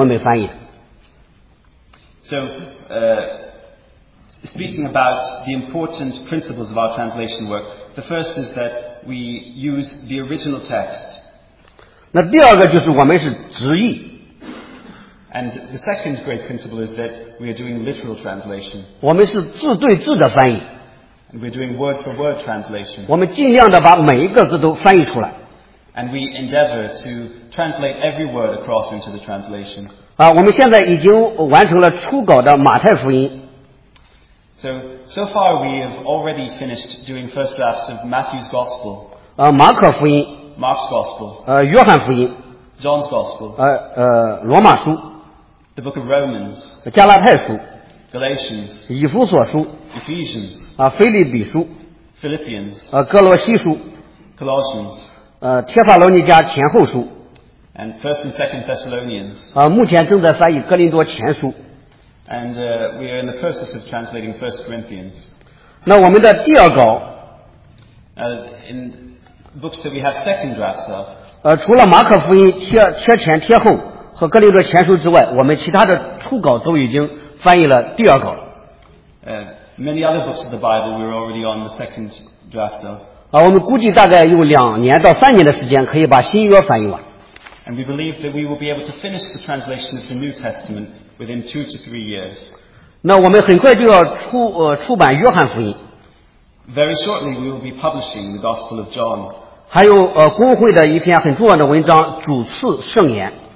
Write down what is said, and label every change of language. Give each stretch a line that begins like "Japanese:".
Chinese: 这是我们翻译的两个最重要的特点。第一个就是我们是按公认文本翻译。So,
English: speaking about the important principles of our translation work, the first is that we use the original text.
Chinese: 那第二个就是我们是直译。
English: And the second great principle is that we are doing literal translation.
Chinese: 我们是字对字的翻译。
English: And we're doing word for word translation.
Chinese: 我们尽量的把每一个字都翻译出来。
English: And we endeavor to translate every word across into the translation.
Chinese: 我们现在已经完成了初稿的马太福音。
English: So far we have already finished doing first drafts of Matthew's Gospel.
Chinese: 马可福音,
English: Mark's Gospel.
Chinese: 约翰福音,
English: John's Gospel.
Chinese: 罗马书,
English: the book of Romans.
Chinese: 加拉太书,
English: Galatians.
Chinese: 以弗所书,
English: Ephesians.
Chinese: 腓立比书,
English: Philippians.
Chinese: 哥罗西书,
English: Colossians.
Chinese: 帖撒罗尼迦前后书,
English: and 1st and 2nd Thessalonians.
Chinese: 目前正在翻译哥林多前书,
English: and we are in the process of translating 1st Corinthians.
Chinese: 那我们的第二稿,
English: in books that we have second drafts of,
Chinese: 除了马可福音贴前贴后和哥林多前书之外, 我们其他的初稿都已经翻译了第二稿了。
English: Many other books of the Bible we're already on the second draft of.
Chinese: 我们估计大概用2年到3年的时间可以把新约翻译完。
English: And we believe that we will be able to finish the translation of the New Testament within 2 to 3 years.
Chinese: 那我们很快就要出版约翰福音。
English: Very shortly we will be publishing the Gospel of John.
Chinese: 还有公会的一篇很重要的文章，主赐圣言。